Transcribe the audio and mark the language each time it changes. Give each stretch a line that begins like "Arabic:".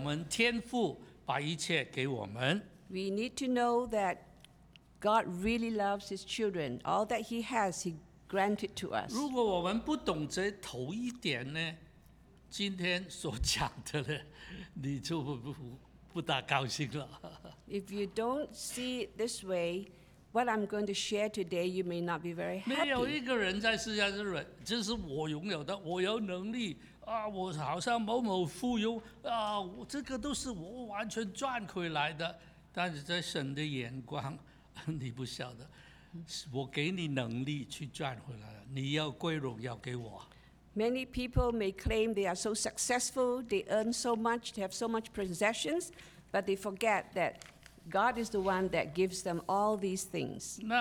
Chinese: 所以我们要知道，一切都是属于神的。他因为爱我们，天父把一切给我们。
English: We need to know that. God really loves his children. All that he has, he granted to us.
Chinese: 如果我们不懂这头一点呢，今天所讲的呢，你就不大高兴了。
English: If you don't see it this way, what I'm going to share today, you may not be very happy.
Chinese: 没有一个人在世界上是人，这是我拥有的，我有能力啊，我好像某某富有啊，我这个都是我完全赚回来的。但是在神的眼光。你不晓得，我给你能力去赚回来了，你要归荣耀给我。
English: Many people may claim they are so successful, they earn so much, they have so much possessions, but they forget that God is the one that gives them all these things.